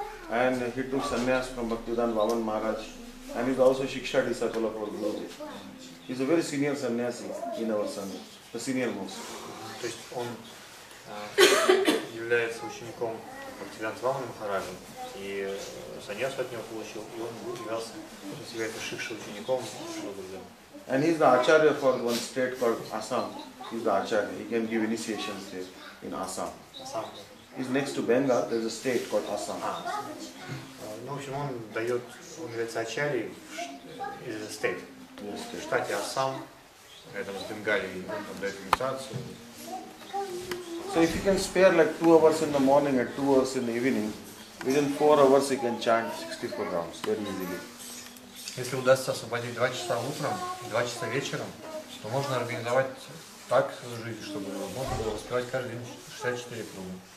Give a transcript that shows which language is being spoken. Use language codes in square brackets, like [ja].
[en] And he took sannyas from Bhaktivedanta Vaman Maharaj and is also Shiksha disciple of Lord Guruji. He is a very senior sannyasi in our sangha, the senior most. [ru] То есть он является учеником Бхактивиданта Ваман Махараджа и саньяс от него получил, и он является Шикша учеником Шикша. [en] And he is the acharya for one state called Assam. He is the acharya. He can give initiation there in Assam. Is next to Bengal, there is a state called Assam. [ru] Ну, в общем, он дает, он является ачарьей из state. В штате Assam, рядом с Бенгалией, он дает инициацию. [en] So if you can spare like 2 hours in the morning and 2 hours in the evening, within 4 hours you can chant 64 rounds very easily. [ru] Если удастся освободить 2 часа утром и 2 часа вечером, то можно организовать так свою жизнь, чтобы можно было успевать каждый день 64 круга.